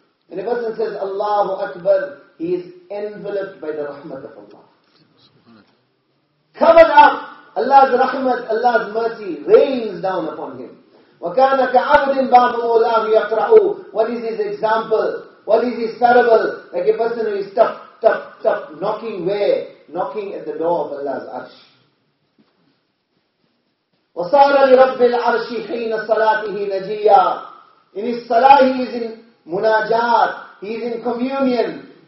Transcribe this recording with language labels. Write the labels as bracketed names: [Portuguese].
[English] And a person says, Allahu Akbar, he is enveloped by the rahmat of Allah. Covered up. Allah's rahmat, Allah's mercy rains down upon him. [Arabic] وَكَانَ كَعَبْدٍ بَابُ مُولَاهُ يَقْرَعُ. [English] What is his example? What is his parable? Like a person who is tap, tap, tap, knocking where? Knocking at the door of Allah's arsh. [Arabic] وَصَارَ لِرَبِّ الْعَرْشِ حِينَ صَلَاتِهِ نَجِيَّا. [English] In his salah he is in munajat. He is in communion.